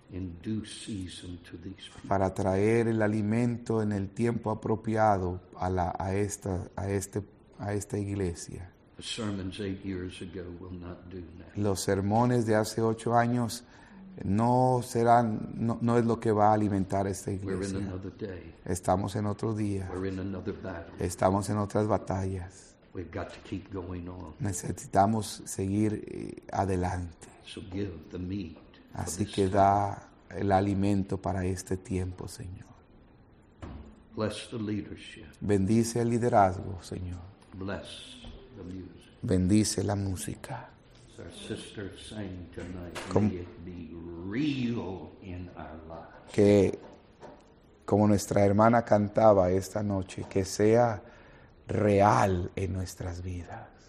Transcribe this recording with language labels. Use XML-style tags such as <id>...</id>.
<en>In due season to these people.</en> <es>Para traer el alimento en el tiempo apropiado a esta iglesia.</es> <en>The sermons 8 years ago will not do that.</en> <es>Los sermones de hace 8 años no es lo que va a alimentar a esta iglesia.</es> <en>We're in another day.</en> <es>Estamos en otro día.</es> <en>We're in another battle.</en> <es>Estamos en otras batallas.</es> <en>We've got to keep going on.</en> <es>Necesitamos seguir adelante.</es> <en>So give the meat.</en> <es>Así que da el alimento para este tiempo, Señor.</es> <en>Bless the leadership.</en> <es>Bendice el liderazgo, Señor.</es> <en>Bless the music.</en> <es>Bendice la música.</es> <en>As our sister sang tonight, may it be real in our lives.</en> <es>Que como nuestra hermana cantaba esta noche, que sea real en nuestras vidas.</es>